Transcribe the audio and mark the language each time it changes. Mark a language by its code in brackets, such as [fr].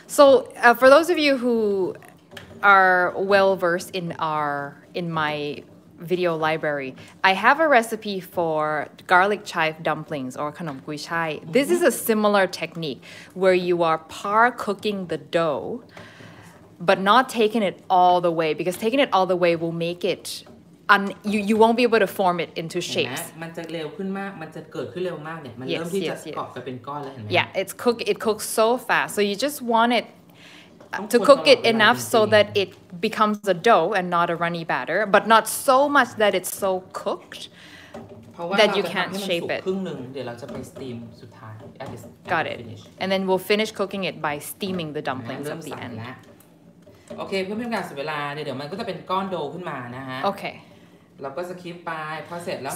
[en] So for those of you who are well versed in my video library, I have a recipe for garlic chive dumplings or KANOM gui chai. This is a similar technique where you are par cooking the dough, but not taking it all the way, because taking it all the way will make itYou won't be able to form it into shapes. [th] มันจะเร็วขึ้นมากมันจะเกิดขึ้นเร็วมากเนี่ยมันเริ่มที่จะเกาะไปเป็นก้อนแล้วเห็นไหม [en] Yeah, it cooks so fast. So you just want it to cook it enough so that it becomes a dough and not a runny batter, but not so much that it's so cooked that you can't shape it. [th] ครึ่งนึงเดี๋ยวเราจะไปสตีมสุดท้าย [en] Got it. And then we'll finish cooking it by steaming the dumplings at the end. [th] โอเคเพื่อไม่ให้การเสียเวลาเดี๋ยวมันก็จะเป็นก้อนโดขึ้นมานะฮะ โอเค เราก็จะคลิปไปพอเสร็จแล้ว